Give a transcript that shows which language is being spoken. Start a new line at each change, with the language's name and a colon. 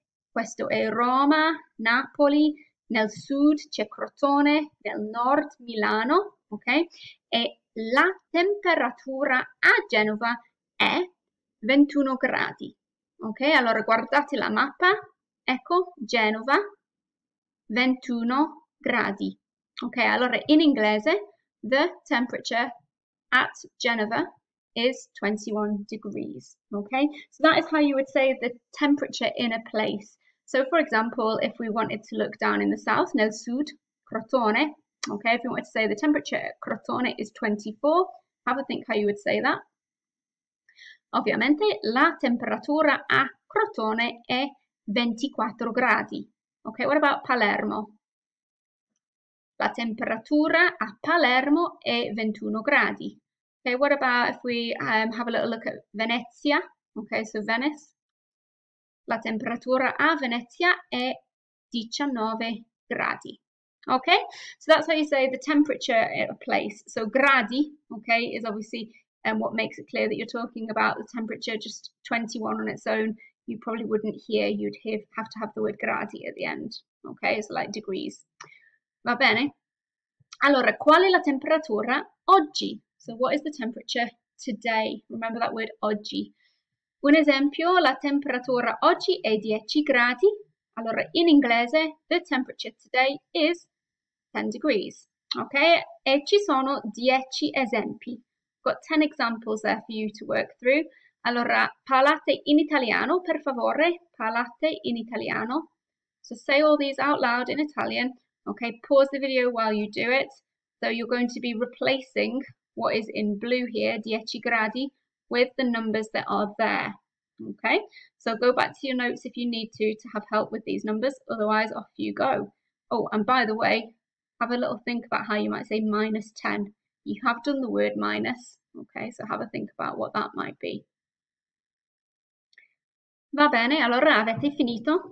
Italian: Questo è Roma, Napoli, nel sud c'è Crotone, nel nord Milano. Ok, e la temperatura a Genova è 21 gradi. Ok, allora guardate la mappa, ecco Genova, 21 gradi.
English: Ok,
Italian: allora in inglese,
English: the temperature at Genova is 21 degrees. Ok, so that is how you would say the temperature in a place. So, for example, if we wanted to look down in the south,
Italian: nel sud,
English: Crotone. Okay, if you want to say the temperature at Crotone is 24, have a think how you would say that.
Italian: Ovviamente la temperatura a Crotone è 24 gradi. Ok,
English: what about Palermo?
Italian: La temperatura a Palermo è 21 gradi.
English: Okay, what about if we have a little look at Venezia? Okay, so Venice.
Italian: La temperatura a Venezia è 19 gradi.
English: Okay, so that's how you say the temperature at a place. So gradi, okay, is obviously what makes it clear that you're talking about the temperature, just 21 on its own. You probably wouldn't hear, you'd have to have the word gradi at the end. Okay, so like degrees.
Italian: Va bene? Allora, qual è la temperatura oggi?
English: So what is the temperature today? Remember that word oggi.
Italian: Un esempio, la temperatura oggi è 10 gradi. Allora, in inglese,
English: the temperature today is 10 degrees. Ok?
Italian: E ci sono 10 esempi.
English: Got 10 examples there for you to work through.
Italian: Allora, parlate in italiano, per favore. Parlate in italiano.
English: So say all these out loud in Italian. Ok? Pause the video while you do it. So you're going to be replacing what is in blue here, 10 gradi, with the numbers that are there. Okay, so go back to your notes if you need to have help with these numbers. Otherwise, off you go. Oh, and by the way, have a little think about how you might say minus 10. You have done the word minus. Okay, so have a think about what that might be.
Italian: Va bene, allora avete finito?